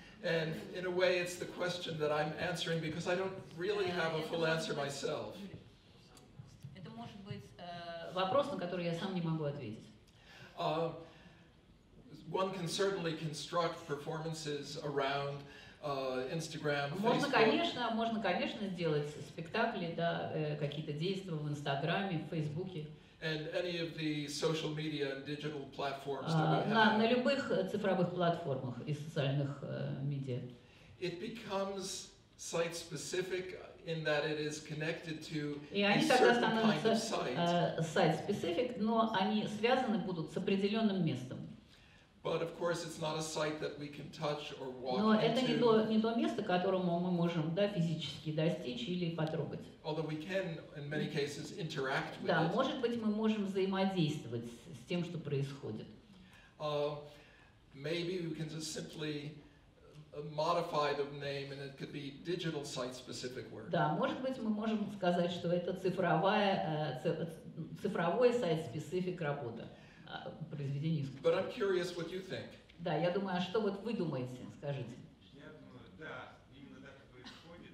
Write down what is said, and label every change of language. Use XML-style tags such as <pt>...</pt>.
<en>And in a way, it's the question that I'm answering because I don't really have a full answer myself.</en> <ru>Это может быть вопрос, на который я сам не могу ответить.</ru> <en>One can certainly construct performances around Instagram.</en> <ru>Можно, конечно, сделать спектакли, да, какие-то действия в Инстаграме, в Фейсбуке.</ru> <en>And any of the social media and digital platforms that we</en> <ru>На любых цифровых платформах и социальных медиа.</ru> <en>It becomes site-specific in that it is connected to a certain kind of site.</en> <ru>Site-specific, но они связаны будут с определенным местом.</ru> <en>But of course, it's not a site that we can touch or walk into.</en> <ru>Но это не то место, которому мы можем, да, физически достичь или потрогать.</ru> <en>Although we can, in many cases, interact with.</en> <ru>Да, может быть, мы можем взаимодействовать с тем, что происходит.</ru> <en>Maybe we can just simply modify the name, and it could be digital site-specific work.</en> <ru>Да, может быть, мы можем сказать, что это цифровой сайт-специфик работа. Произведение искусства.</ru> <en>But I'm curious what you think.</en> <ru>Да, я думаю, а что вот вы думаете, скажите? Я думаю, да, именно так и происходит.</ru>